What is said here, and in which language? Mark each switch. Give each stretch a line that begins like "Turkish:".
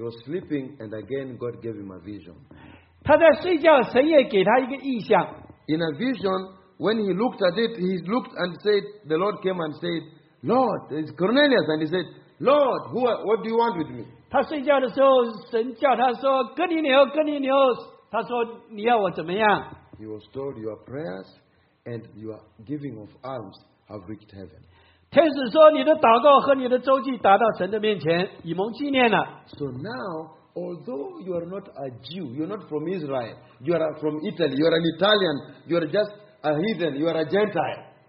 English: was sleeping, and again God gave him a vision.
Chinese: 他在睡觉，神也给他一个异象。
English: In a vision, when he looked at it, he looked and said, "The Lord came and said, 'Lord, it's Cornelius,' and he said, 'Lord, what do you want with me?"
Chinese: 他睡觉的时候，神叫他说，哥尼流，哥尼流，他说，你要我怎么样？ He was told, "Your prayers and your giving of alms have reached heaven." 天使说，你的祷告和你的周济达到神的面前，以蒙纪念了。
English: So now, although you are not a Jew, you are not from Israel, you are from Italy, you are an Italian, you are just a heathen, you are a Gentile.